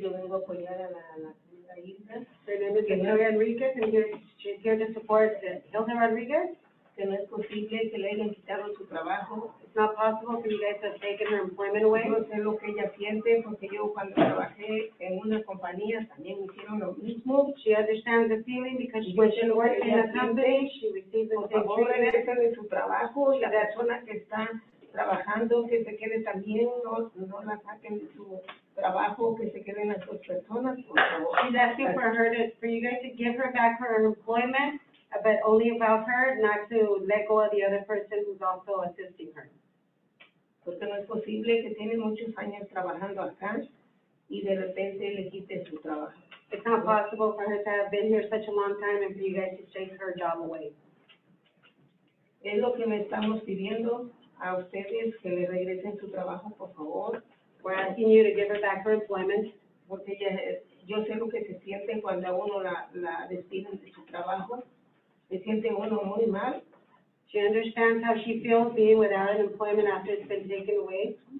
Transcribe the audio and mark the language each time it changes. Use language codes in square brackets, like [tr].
[es] Yo vengo a apoyar a la señora Hilda. [en] My name is Victoria Enrique, and she's here to support Hilda Rodriguez. [es] Que no es posible que le hayan quitado su trabajo. [en] It's not possible for you guys to take her employment away. [es] No sé lo que ella siente, porque yo cuando trabajé en una compañía también hicieron lo mismo. [en] She understands the feeling because when she worked in a company, she received the same treatment. [es] Por favor, déjenle su trabajo y la persona que está trabajando, que se quede también, no la saquen de su trabajo, que se queden las dos personas, por favor. [en] She's asking for her to, for you guys to give her back her employment, but only about her, not to let go of the other person who's also assisting her. [es] Porque no es posible que tiene muchos años trabajando acá y de repente le quite su trabajo. [en] It's not possible for her to have been here such a long time and for you guys to take her job away. [es] Es lo que le estamos pidiendo a ustedes, que le regresen su trabajo, por favor. [en] We're asking you to give her back her employment. [es] Porque ya, yo sé lo que se siente cuando uno la despiden de su trabajo. Se siente uno muy mal. [en] She understands how she feels being without an employment after it's been taken away.